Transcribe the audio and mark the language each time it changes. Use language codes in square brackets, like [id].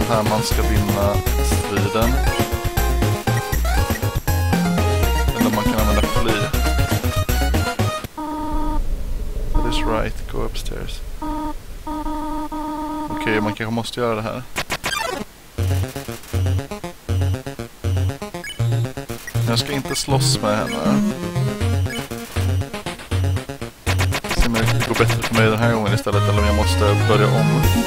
[sv] Man ska vinna striden. Eller man kan använda fly. [en] That is right, go upstairs. [sv] Okej, man kanske måste göra det här. Jag ska inte slåss med henne. Se om det går bättre för mig den här gången istället, eller om jag måste börja om.